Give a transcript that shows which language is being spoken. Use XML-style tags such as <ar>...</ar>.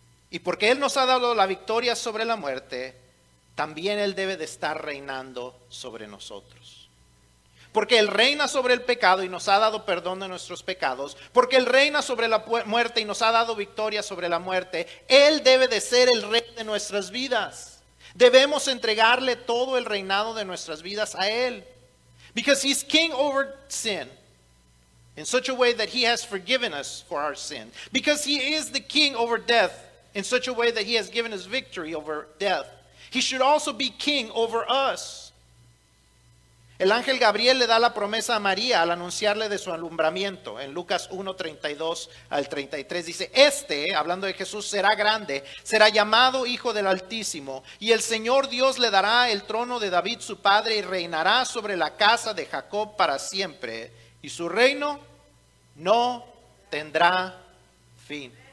<es>Y porque Él nos ha dado la victoria sobre la muerte, también Él debe de estar reinando sobre nosotros. Porque Él reina sobre el pecado y nos ha dado perdón de nuestros pecados. Porque Él reina sobre la muerte y nos ha dado victoria sobre la muerte. Él debe de ser el rey de nuestras vidas. Debemos entregarle todo el reinado de nuestras vidas a Él.</es> <en>Because He's king over sin. In such a way that He has forgiven us for our sin. Because He is the king over death. In such a way that He has given us victory over death. He should also be king over us.</en> <es>El ángel Gabriel le da la promesa a María al anunciarle de su alumbramiento. En Lucas 1:32 al 33 dice, este, hablando de Jesús, será grande, será llamado Hijo del Altísimo, y el Señor Dios le dará el trono de David su padre y reinará sobre la casa de Jacob para siempre, y su reino no tendrá fin.</es>